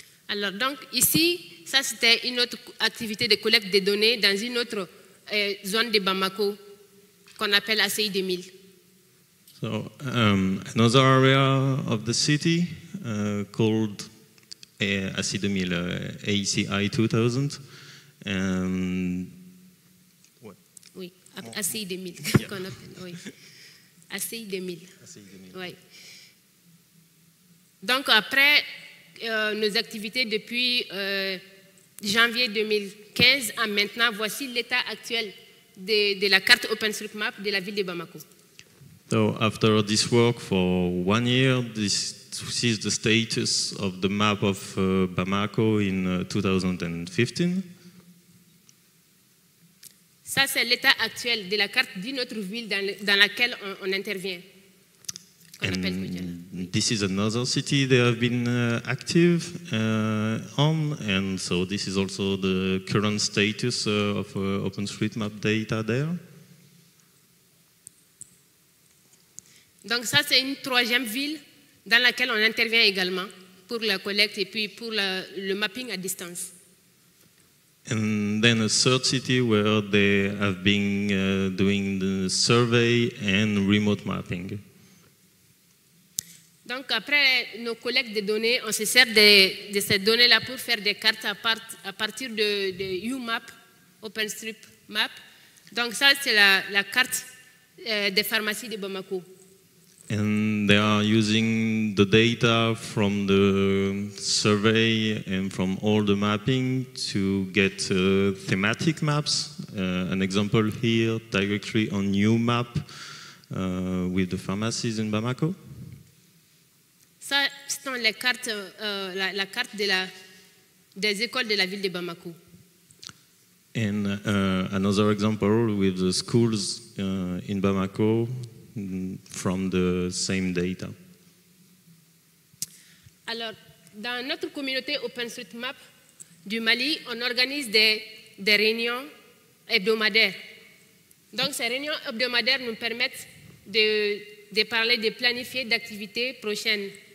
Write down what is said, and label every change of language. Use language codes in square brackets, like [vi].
[fr] Alors, donc ici, ça c'était une autre activité de collecte des données dans une autre zone de Bamako qu'on appelle ACI 2000. [en] So another area of the city called ACI 2000, ACI 2000, and what? [fr] Oui, ACI 2000 qu'on appelle. Oui, ACI 2000. ACI 2000. Oui. Donc après nos activités depuis janvier 2015 à maintenant, voici l'état actuel de la carte OpenStreetMap de la ville de Bamako. [en] So after this work for 1 year, this is the status of the map of Bamako in 2015. [fr] Ça c'est l'état actuel de la carte d'une autre ville dans laquelle on intervient. [en] And this is another city they have been active on, and so this is also the current status of OpenStreetMap data there. [fr] Donc ça c'est une troisième ville dans laquelle on intervient également pour la collecte et puis pour le mapping à distance. [en] And then a third city where they have been doing the survey and remote mapping. [fr] Donc après nos collectes de données, on se sert de ces données-là pour faire des cartes à partir de UMAP, OpenStreetMap. Donc ça, c'est la carte des pharmacies de Bamako. [en] And they are using the data from the survey and from all the mapping to get thematic maps. An example here, directly on UMAP with the pharmacies in Bamako. [fr] Ça, c'est dans les cartes, la carte des écoles de la ville de Bamako. [en] And another example with the schools in Bamako from the same data. [fr] Alors, dans notre communauté OpenStreetMap du Mali, on organise des réunions hebdomadaires. Donc, ces réunions hebdomadaires nous permettent de parler, de planifier d'activités prochaines.